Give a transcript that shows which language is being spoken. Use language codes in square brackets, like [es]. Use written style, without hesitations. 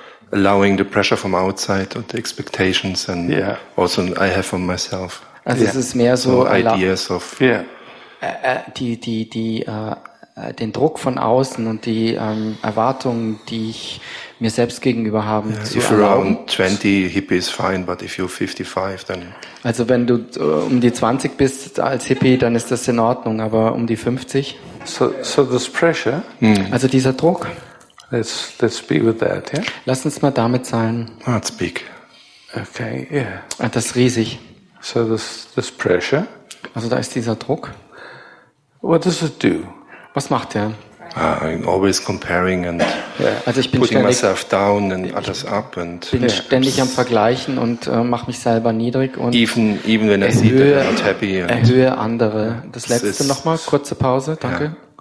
[en] Allowing the pressure from outside or the expectations and also I have from myself. [de] Also es ist mehr so [en] ideas of [de] den Druck von außen und die Erwartungen, die ich mir selbst gegenüber habe. [en] Yeah. If you're around 20, hippie is fine, but if you're 55, then. [de] Also wenn du um die 20 bist als Hippie, dann ist das in Ordnung, aber um die 50. [en] So this pressure. [de] Also dieser Druck. [en] Let's be with that, yeah? [de] Lass uns mal damit sein. [en] That's big. Okay, yeah. [de] Das ist riesig. [en] So this pressure. [de] Also da ist dieser Druck. [en] What does it do? [de] Was macht der? [en] I'm always comparing and [de] also ich bin [en] putting [de] ständig, [en] myself down and others up and [de] bin ständig am Vergleichen und mach mich selber niedrig und [en] even when erhöhe, I see that I'm not happy and [de] erhöhe andere. Das letzte is, noch mal, kurze Pause, danke.